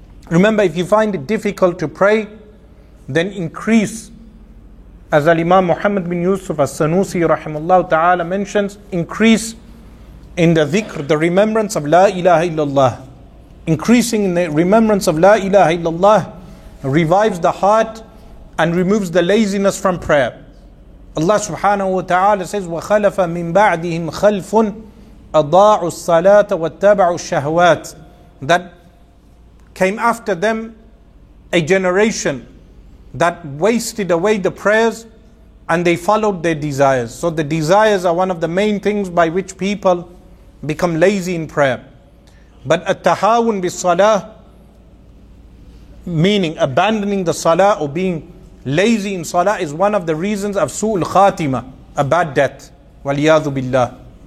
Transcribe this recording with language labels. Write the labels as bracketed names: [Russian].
[English] Remember, if you find it difficult to pray, then increase, as Al-Imam Muhammad bin Yusuf As-Sanusi rahimahullah ta'ala mentions, increase in the dhikr, the remembrance of La ilaha illallah. Increasing in the remembrance of La ilaha illallah revives the heart and removes the laziness from prayer. [Arabic] Allah subhanahu wa ta'ala says, وَخَلَفَ مِن بَعْدِهِمْ خَلْفٌ أَضَاعُوا الصَّلَاةَ وَاتَّبَعُوا الشَّهْوَاتِ. [English] That came after them a generation that wasted away the prayers and they followed their desires. So the desires are one of the main things by which people become lazy in prayer. But at-tahawun bis-salah, meaning abandoning the salah or being lazy in salah, is one of the reasons of su'ul khatima, a bad death. Waliyadhu billah.